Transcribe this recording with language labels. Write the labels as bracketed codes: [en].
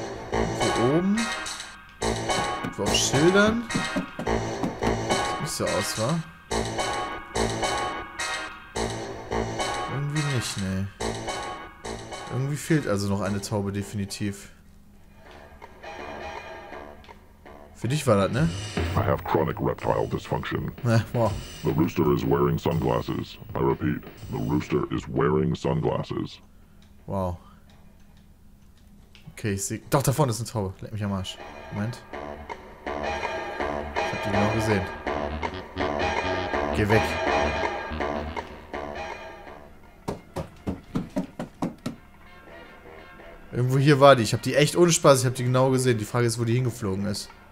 [de] Hier oben. Auf Schildern. Nicht so aus, wa? Irgendwie nicht, ne. Irgendwie fehlt also noch eine Taube, definitiv. Für dich war das, ne? [en] I have chronic reptile dysfunction. The rooster is wearing sunglasses. I repeat, the rooster is wearing sunglasses. [de] Wow. Okay, ich sehe. Doch, da vorne ist eine Taube. Leck mich am Arsch. Moment. Genau gesehen. Geh weg. Irgendwo hier war die. Ich habe die echt ohne Spaß. Ich habe die genau gesehen. Die Frage ist, wo die hingeflogen ist.